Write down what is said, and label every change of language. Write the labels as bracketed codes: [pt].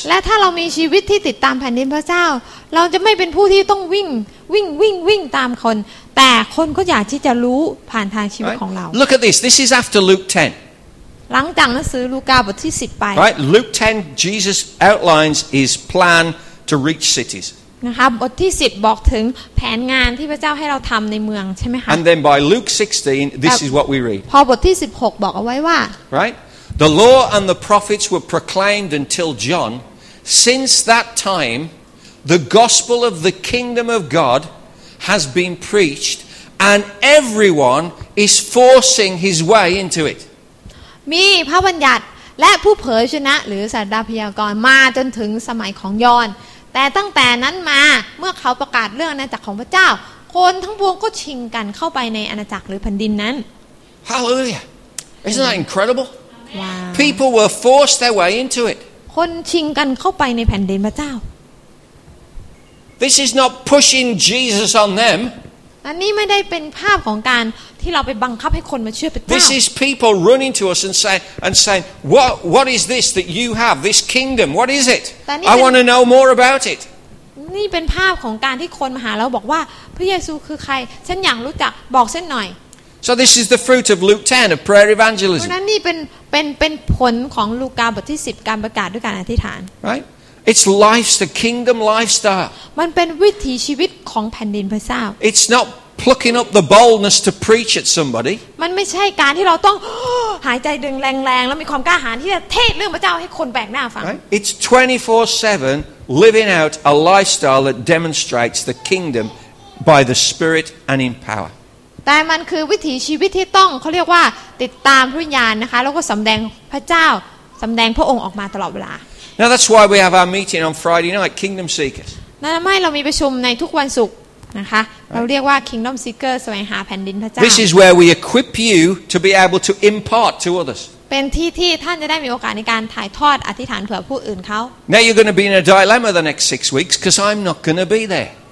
[th] และถ้าเรามีชีวิตที่ติดตามแผ่นดินพระเจ้าเราจะไม่เป็นผู้ที่ต้องวิ่งตามคนแต่คนก็อยากที่จะรู้ผ่านทางชีวิตของเรา [en] Look at this is after Luke 10 [th] หลังจากหนังสือลูกาบทที่10ไป [en] Right Luke 10 Jesus outlines his plan to reach cities [th] นะคะบทที่10บอกถึงแผนงานที่พระเจ้าให้เราทำในเมืองใช่ไหมคะ [en] And then by Luke 16 this is what we read [th] พอบทที่16บอกเอาไว้ว่า [en] Right the law and the prophets were proclaimed until John since that timeThe gospel of the kingdom of God has been preached, and everyone is forcing his way into it. [th] มีพระบัญญัติและผู้เผยชนะหรือศาสดาพยากรณ์มาจนถึงสมัยของยอนแต่ตั้งแต่นั้นมาเมื่อเขาประกาศเรื่องอาณาจักรของพระเจ้าคนทั้งปวงก็ชิงกันเข้าไปในอาณาจักรหรือแผ่นดินนั้น [en] Hallelujah! Isn't that incredible? People were forced their way into it. [th] คนชิงกันเข้าไปในแผ่นดินพระเจ้า [en] This is not pushing Jesus on them. [th] อันนี้ไม่ได้เป็นภาพของการที่เราไปบังคับให้คนมาเชื่อพระเจ้า [en] This is people running to us and saying, "What is this that you have? This kingdom? What is it? I want to know more about it." [th] นี่เป็นภาพของการที่คนมาหาเราบอกว่าพระเยซูคือใครฉันอยากรู้จักบอกฉันหน่อย [en] So this is the fruit of Luke 10 of prayer evangelism. [th] เพราะนั้นนี่เป็นผลของลูกาบทที่10การประกาศด้วยการอธิษฐาน [en] Right. It's life's the kingdom lifestyle. [th] มันเป็นวิถีชีวิตของแผ่นดินพระเจ้า [en] It's not plucking up the boldness to preach at somebody. [th] มันไม่ใช่การที่เราต้องหายใจดึงแรงๆแล้วมีความกล้าหาญที่จะเทศเรื่องพระเจ้าให้คนแปลกหน้าฟัง [en] It's 24/7 living out a lifestyle that demonstrates the kingdom by the Spirit and in power. [th] แต่มันคือวิถีชีวิตที่ต้องเขาเรียกว่าติดตามพระวิญญาณนะคะแล้วก็สำแดงพระเจ้าสำแดงพระองค์ออกมาตลอดเวลา [en] Now that's why we have our meeting on Friday night, Kingdom Seekers. [th] นั่นไม่เรามีประชุมในทุกวันศุกร์นะคะเราเรียกว่า Kingdom Seeker แสวงหาแผ่นดินพระเจ้า [en] This is where we equip you to be able to impart to others. [th] เป็นที่ที่ท่านจะได้มีโอกาสในการถ่ายทอดอธิษฐานเผื่อผู้อื่นเขา [en] Now you're going to be in a dilemma the next 6 weeks because I'm not going to be there